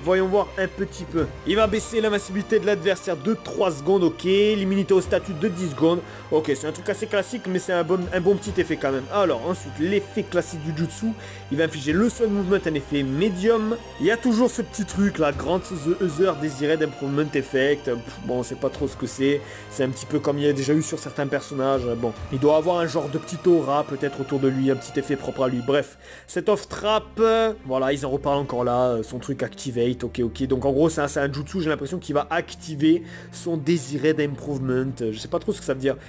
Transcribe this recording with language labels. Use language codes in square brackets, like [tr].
[fr] Voyons voir un petit peu. Il va baisser l'invincibilité de l'adversaire de 3 secondes. Ok, l'immunité au statut de 10 secondes. Ok, c'est un truc assez classique, mais c'est un bon petit effet quand même. Alors, ensuite, l'effet classique du jutsu. Il va infliger le seul mouvement, un effet médium. Il y a toujours ce petit truc, là. [en] Grant the user desired improvement effect. [fr] Bon, on sait pas trop ce que c'est. C'est un petit peu comme il y a déjà eu sur certains personnages. Bon, il doit avoir un genre de petit aura peut-être autour de lui, un petit effet propre à lui. Bref, cet off trap, voilà, ils en reparlent encore là. Son truc activate, ok, ok. Donc en gros, c'est un jutsu. J'ai l'impression qu'il va activer son désiré d'improvement. Je sais pas trop ce que ça veut dire.